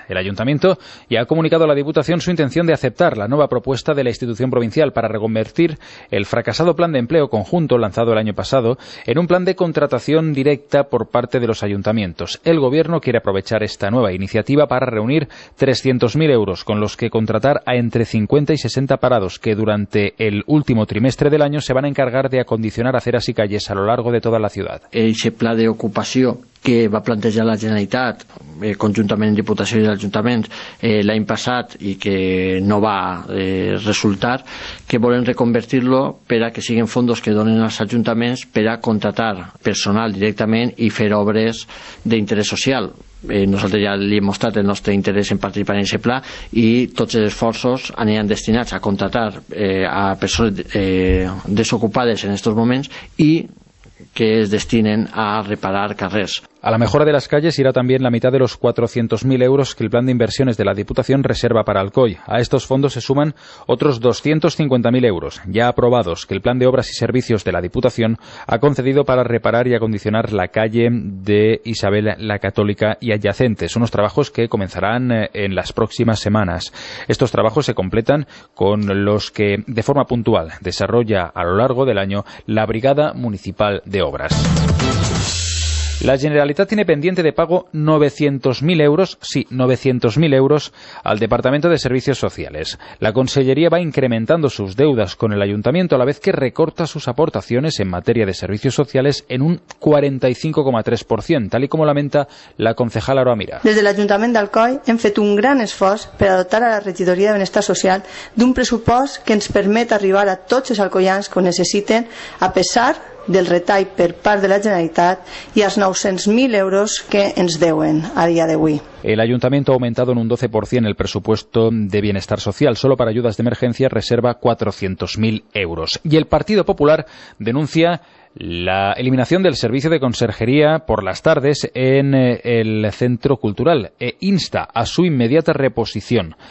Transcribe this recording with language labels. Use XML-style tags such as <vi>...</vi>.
<es>El ayuntamiento ya ha comunicado a la Diputación su intención de aceptar la nueva propuesta de la institución provincial para reconvertir el fracasado plan de empleo conjunto lanzado el año pasado en un plan de contratación directa por parte de los ayuntamientos. El gobierno quiere aprovechar esta nueva iniciativa para reunir 300.000 euros con los que contratar a entre 50 y 60 parados que durante el último trimestre del año se van a encargar de acondicionar aceras y calles a lo largo de toda la ciudad.</es> <ca>Ese pla de ocupación que va plantejar la Generalitat conjuntament amb Diputació i l'Ajuntament l'any passat i que no va resultar, que volen reconvertir-lo per a que siguin fons que donen als ajuntaments per a contratar personal directament i fer obres d'interès social. Nosaltres ja li hem mostrat el nostre interès en participar en aquest pla i tots els esforços aniran destinats a contratar a persones desocupades en aquests moments i que destinen a reparar carreras.</ca> <es>A la mejora de las calles irá también la mitad de los 400.000 euros que el plan de inversiones de la Diputación reserva para Alcoy. A estos fondos se suman otros 250.000 euros ya aprobados que el plan de obras y servicios de la Diputación ha concedido para reparar y acondicionar la calle de Isabel la Católica y adyacentes. Unos trabajos que comenzarán en las próximas semanas. Estos trabajos se completan con los que de forma puntual desarrolla a lo largo del año la Brigada Municipal de Obras. La Generalitat tiene pendiente de pago 900.000 euros, sí, 900.000 euros, al Departamento de Servicios Sociales. La Consellería va incrementando sus deudas con el Ayuntamiento a la vez que recorta sus aportaciones en materia de servicios sociales en un 45,3%, tal y como lamenta la concejal Aroa Mira.</es> <ca>Des de l'Ajuntament d'Alcoi hem fet un gran esforç per a dotar a la Regidoria de Benestar Social d'un pressupost que ens permet arribar a tots els alcoians que ho necessiten a pesar del retall per part de la Generalitat i els 900.000 euros que ens deuen a dia d'avui.</ca> <es>El Ayuntamiento ha aumentado en un 12% el presupuesto de bienestar social. Solo para ayudas de emergencia reserva 400.000 euros. Y el Partido Popular denuncia la eliminación del servicio de conserjería por las tardes en el centro cultural e insta a su inmediata reposición.</es>